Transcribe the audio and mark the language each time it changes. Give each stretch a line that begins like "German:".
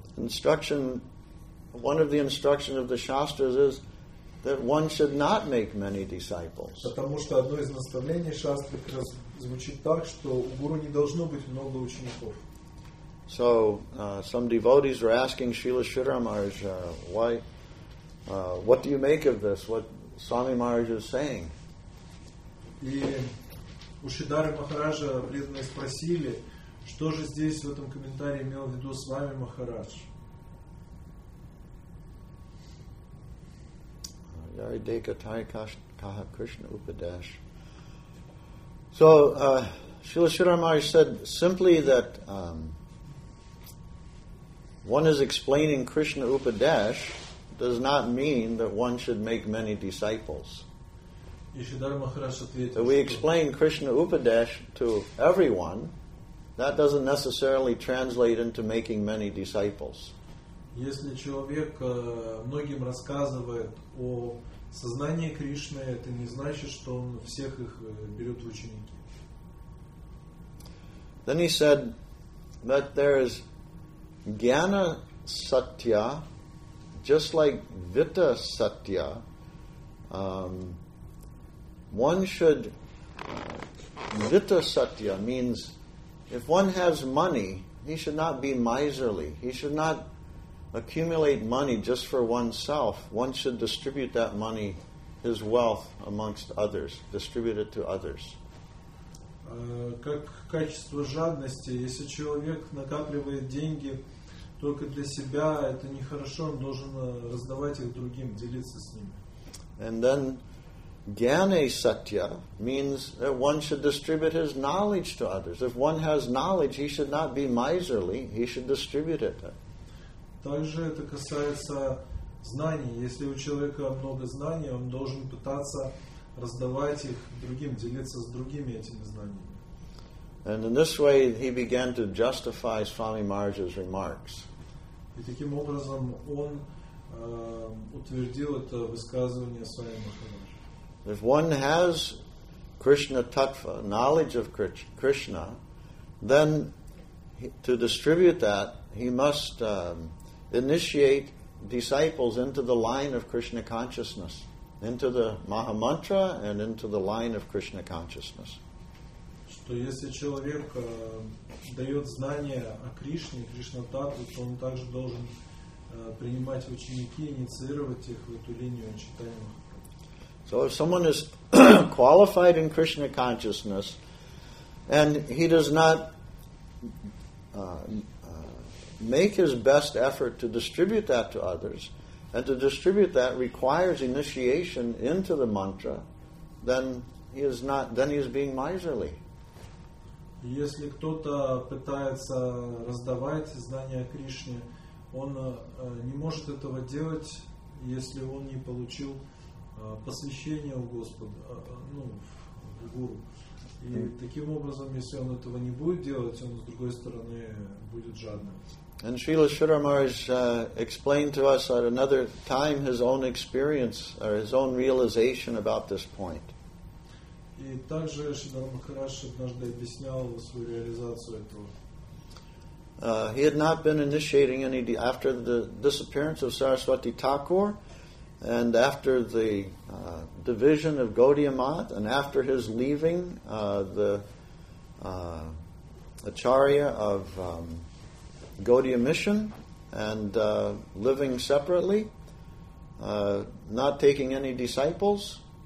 English: Instruction, one of the instructions of the Shastras is that one should not make many disciples.
Russian: Потому что одно из наставлений Шастры как раз звучит так, что у гуру не должно быть много учеников.
English: So, some devotees were asking Srila Sridhar Maharaj, why, what do you make of this, what Swami Maharaj is saying?
Russian: И у Шридхара Махараджа преданные спросили, что же здесь в этом комментарии имел в виду Свами Махарадж?
Bangla: Yaridika Tarikaha Krishna Upadesh.
English: So, Srila Sridhar Maharaj said simply that one is explaining Krishna Upadesh does not mean that one should make many disciples. So we explain Krishna Upadesh to everyone, that doesn't necessarily translate into making many disciples.
Russian: Если человек многим рассказывает о сознании Кришны, это не значит, что он всех их берет в ученики.
English: Then he said that there is Jnana Satya, just like Vitta Satya, one should. Vitta Satya means if one has money, he should not be miserly. He should not accumulate money just for oneself. One should distribute that money, his wealth, amongst others, distribute it to others.
Russian: Как качество жадности, если человек накапливает деньги только для себя, это нехорошо, он должен раздавать их другим, делиться с ними.
English: And then Jnana Satya means that one should distribute his knowledge to others. If one has knowledge, he should not be miserly, he should distribute it.
Russian: Также это касается знаний. Если у человека много знаний, он должен пытаться раздавать их другим, делиться с другими этими знаниями.
English: And in this way, he began to justify Swami Maharaj's remarks.
Russian: И таким образом он утвердил это высказывание Свами Махараджа.
English: If one has Krishna Tattva, knowledge of Krishna, then to distribute that, he must initiate disciples into the line of Krishna consciousness, into the Mahamantra and into the line of Krishna consciousness.
Russian: Что если человек дает знания о Кришне, Кришна-таттву, то он также должен принимать ученики, инициировать их в эту линию читания.
English: So if someone is qualified in Krishna consciousness and he does not make his best effort to distribute that to others, and to distribute that requires initiation into the mantra, then he is not. Then he is being miserly.
Russian: Если кто-то пытается раздавать знания Кришне, он не может этого делать, если он не получил посвящение у Господа, ну, в гуру. И таким образом, если он этого не будет делать, он, с другой стороны, будет жадным.
English: And Srila Sridhar Maharaj explained to us at another time his own experience or his own realization about this point.
Russian: И также Шридхар Махарадж однажды объяснял свою реализацию этого.
English: He had not been initiating any after the disappearance of Saraswati Thakur, and after the division of Gaudiya Math, and after his leaving the acharya of Gaudiya Mission and living separately, not taking any disciples,